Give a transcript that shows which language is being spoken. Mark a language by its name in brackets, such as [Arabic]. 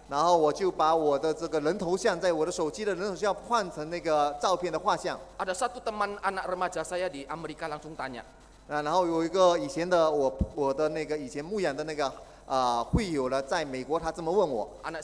[Chinese] 然后我就把我的这个人头像在我的手机的人头像换成那个照片的画像。 [Indonesian] Ada satu teman anak remaja saya di Amerika langsung tanya. [Chinese] 然后有一个以前的我的那个以前牧养的那个会友呢，在美国他这么问我。 [Indonesian] Anak